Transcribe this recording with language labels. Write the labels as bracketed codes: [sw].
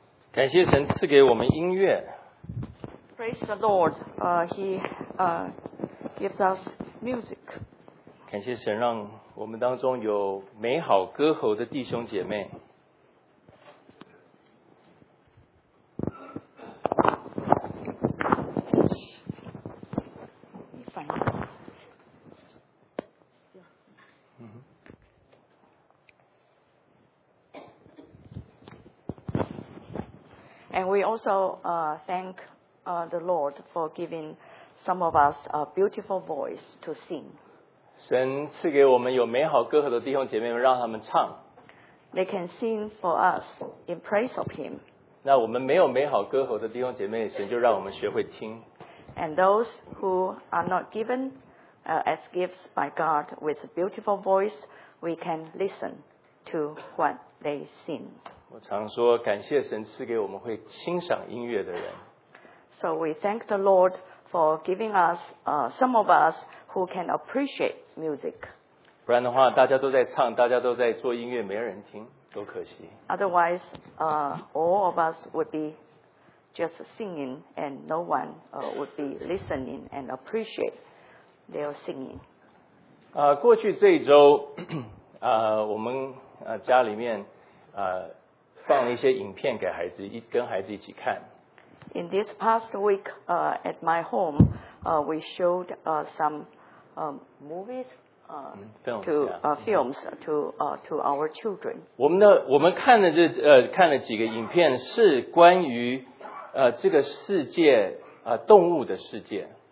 [zh] 感谢神赐给我们音乐。 [en] Praise the Lord, he gives us music. [zh] 感谢神让我们当中有美好歌喉的弟兄姐妹。 [en] And we also thank the Lord for giving some of us a beautiful voice to sing. [zh] 神赐给我们有美好歌喉的弟兄姐妹们，让他们唱。 [en] They can sing for us in praise of Him. [zh] 那我们没有美好歌喉的弟兄姐妹，神就让我们学会听。 [en] And those who are not given, as gifts by God with a beautiful voice, we can listen to what they sing. [zh] 我常说，感谢神赐给我们会欣赏音乐的人。 [en] So we thank the Lord. For giving us some of us who can appreciate music. [zh] 不然的话，大家都在唱，大家都在做音乐，没人听，多可惜。 [en] Otherwise, all of us would be just singing, and no one would be listening and appreciate their singing. [zh] 过去这一周，我们家里面放了一些影片给孩子，跟孩子一起看。 [en] In this past week, at my home, we showed some movies films to our children. [zh] 我们看了这看了几个影片，是关于这个世界动物的世界。